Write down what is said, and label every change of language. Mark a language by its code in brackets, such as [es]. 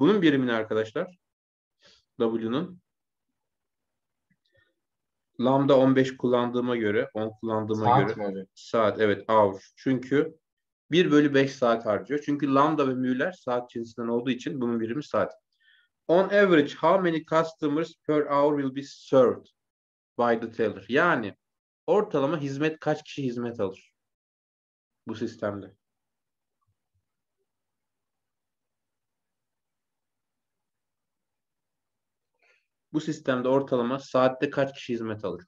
[tr] Bunun birimi ne arkadaşlar? W'nun. Lambda 15 kullandığıma göre, 10 kullandığıma saat göre. Saat mi? Saat, evet. Hour. Çünkü 1 bölü 5 saat harcıyor. Çünkü lambda ve mu'ler saat cinsinden olduğu için bunun birimi saat. [en] On average, how many customers per hour will be served by the teller? [tr] Yani ortalama hizmet, kaç kişi hizmet alır bu sistemde? Bu sistemde ortalama saatte kaç kişi hizmet alır?